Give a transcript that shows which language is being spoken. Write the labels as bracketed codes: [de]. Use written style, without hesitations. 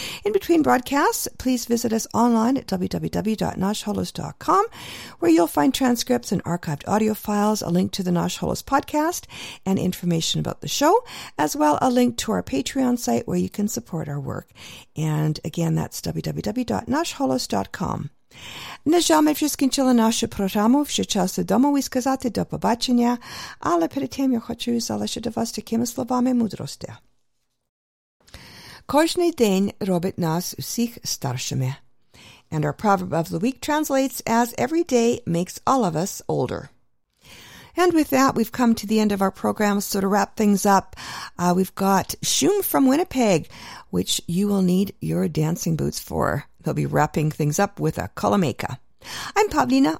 [en] In between broadcasts, please visit us online at www.nashholos.com, where you'll find transcripts and archived audio files, a link to the Nash Holos podcast, and information about the show, as well a link to our Patreon site where you can support our work. And again, that's www.nashholos.com. [uk] Не жаль всіх чули нашу програму, вже час дома і сказати до побачення, але перед тим я хочу залишити вас такими словами мудрості. Кожний день робить нас усіх старшими. [en] And our proverb of the week translates as every day makes all of us older. And with that, we've come to the end of our program. So to wrap things up, we've got Shum from Winnipeg, which you will need your dancing boots for. They'll be wrapping things up with a kolomeka. I'm Pavlina.